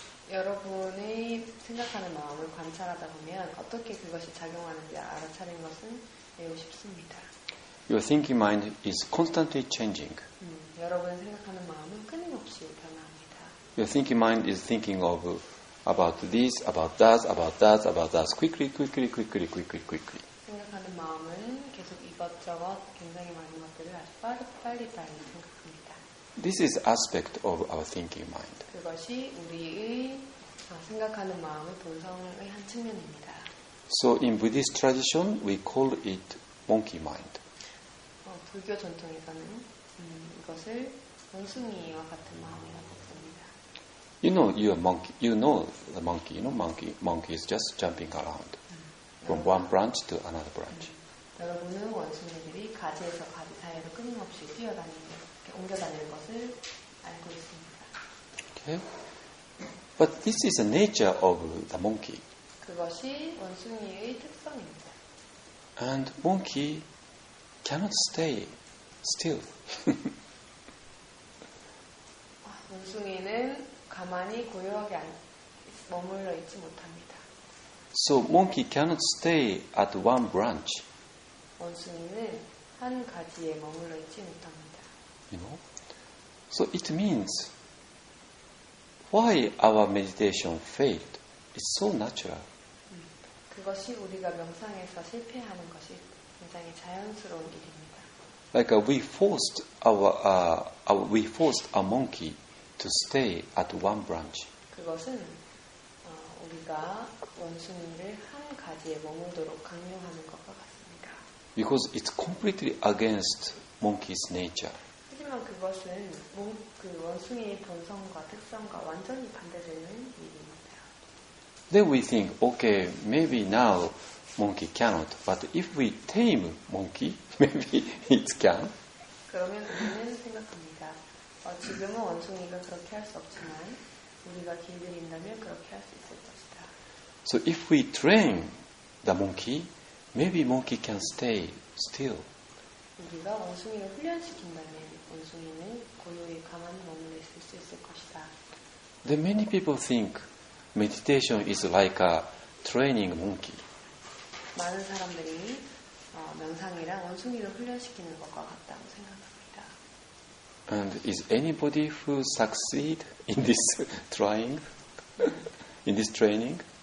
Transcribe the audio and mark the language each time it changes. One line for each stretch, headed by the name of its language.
Korean: 여러분의 생각하는 마음을 관찰하다 보면 어떻게 그것이 작용하는지 알아차리는 것은 매우 쉽습니다.
English: Your thinking mind is constantly changing.
Korean: 여러분의 생각하는 마음은 끊임없이 변화합니다.
English: Your thinking mind is thinking of about this, about that, about that, about that. Quickly.
Korean: 생각하는 마음은 계속 이것저것 굉장히 많은 것들을 아주 빨리 생각합니다.
English: This is aspect of our thinking mind.
Korean: 그것이 우리의 생각하는 마음의 본성의 한 측면입니다.
English: So in Buddhist tradition, we call it monkey mind.
Korean: 불교 전통에서는 이것을 원숭이와 같은 마음이라고 합니다.
English: You know you are monkey. You know the monkey. You know monkey. Monkey is just jumping around from one branch to another branch.
Korean: 여러분은 원숭이들이 가지에서 가지 사이로 끊임없이 뛰어다니고 옮겨다니는 것을 알고 있습니다.
English: Okay. But this is the nature of the monkey.
Korean: 그것이 원숭이의 특성입니다.
English: And monkey cannot stay still.
Korean: 원숭이는 가만히 고요하게 머물러 있지 못합니다.
English: So monkey cannot stay at one branch.
Korean: 원숭이는 한 가지에 머물러 있지 못합니다.
English: You know? So it means why our meditation failed? It's so natural.
Korean: 그것이 우리가 명상에서 실패하는 것이 굉장히 자연스러운 일입니다.
English: Like we forced a monkey to stay at one branch.
Korean: 그것은 우리가 원숭이를 한 가지에 머무도록 강요하는 것과 같습니다.
English: Because it's completely against monkey's nature.
Korean: 하지만 그것은 그 원숭이의 본성과 특성과 완전히 반대되는 일입니다.
English: Then we think, okay, maybe now monkey cannot, but if we tame monkey, maybe it can.
Korean: 그러면 우리는 생각합니다. 지금은 원숭이가 그렇게 할 수 없지만 우리가 길들인다면 그렇게 할 수 있을 것이다.
English: So if we train the monkey, maybe monkey can stay still.
Korean: 우리가 원숭이를 훈련시킨다면 원숭이는 고요히 가만히 머물러 있을 수 있을 것이다.
English: Then many people think meditation is like a training monkey.
Korean: 많은 사람들이 명상이랑 원숭이를 훈련시키는 것과 같다고 생각합니다.
English: And is anybody who succeed in this trying, in this training?